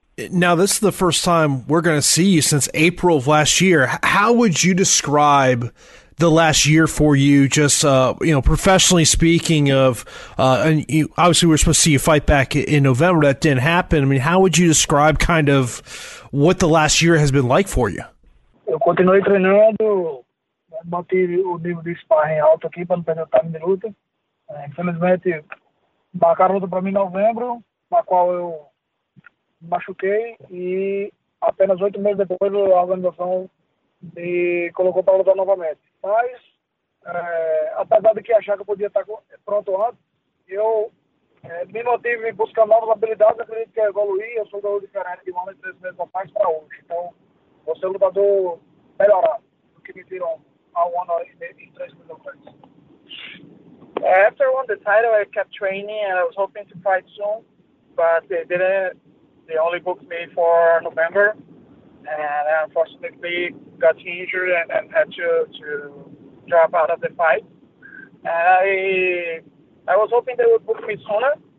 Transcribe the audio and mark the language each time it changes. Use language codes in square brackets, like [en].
[en] Now, this is the first time we're going to see you since April of last year. How would you describe the last year for you, just professionally speaking, and you obviously we're supposed to see you fight back in November, that didn't happen. I mean, how would you describe kind of what the last year has been like for you? [pt] Eu continuei treinando, mantive o nível de sparring alto aqui para não perder o time de luta. Infelizmente, marcaram luta para mim em novembro, na qual eu machuquei, e apenas 8 meses depois a organização me colocou para lutar novamente. Mas, apesar de que achar que eu podia estar pronto antes, eu me motivei a buscar novas habilidades, acredito que eu evoluí, eu sou lutador diferente de um homem 3 meses a mais para hoje. Então, vou ser lutador melhorado do que me viram há 1 ano e 3 meses atrás. [en] After I won the title, I kept training and I was hoping to fight soon, but they didn't. They only booked me for November. And unfortunately, got injured and had to drop out of the fight. And I was hoping they would book me sooner.